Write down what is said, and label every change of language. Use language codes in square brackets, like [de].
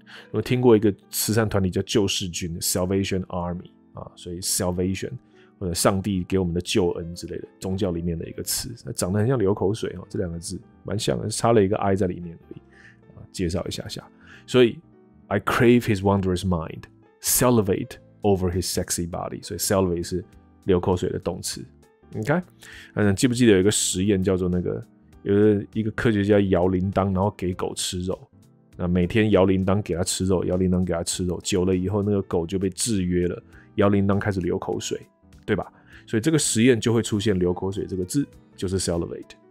[zh] 我听过一个慈善团体叫救世军 salvation army 啊，所以 salvation 或者上帝给我们的救恩之类的宗教里面的一个词，长得很像流口水哦，这两个字蛮像的，差了一个 i 在里面而已啊，介绍一下下。 [en] 所以 I crave his wondrous mind。 Salivate over his sexy body， [zh] 所以 [en] salivate [zh] 是流口水的动词。 OK， 嗯，记不记得有一个实验叫做那个，有一个科学家摇铃铛，然后给狗吃肉，那每天摇铃铛给他吃肉，摇铃铛给他吃肉，久了以后那个狗就被制约了，摇铃铛开始流口水，对吧？所以这个实验就会出现流口水这个字，就是 salivate。